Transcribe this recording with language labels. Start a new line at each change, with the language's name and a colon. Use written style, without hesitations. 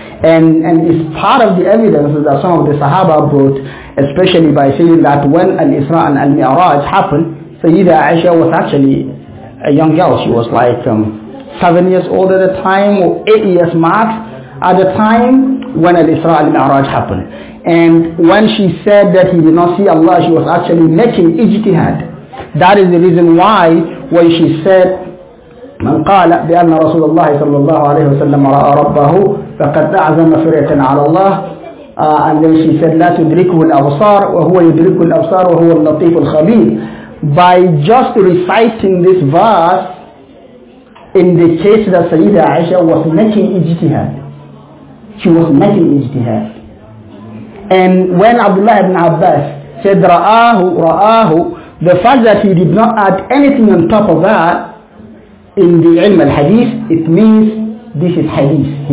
English: And it's part of the evidence that some of the Sahaba brought, especially by saying that when Al-Isra and Al-Mi'raj happened, Sayyidina Aisha was actually a young girl. She was like 7 years old at the time, or 8 years max at the time when Al-Isra and Al-Mi'raj happened. And when she said that he did not see Allah, she was actually making ijtihad. That is the reason why when she said,
Arabic: من قال بأن رسول الله صلى الله عليه وسلم رأى ربه فقد أعظم فرية على الله,
English: and then she said
Arabic: لا تدركه الأبصار وهو يدرك الأبصار وهو اللطيف الخبير.
English: By just reciting this verse in the case that Sayyidina Aisha was making ijtihad, she was making ijtihad. And when Abdullah ibn Abbas said رآه, the fact that he did not add anything on top of that in the ilm al-hadith, it means this is hadith.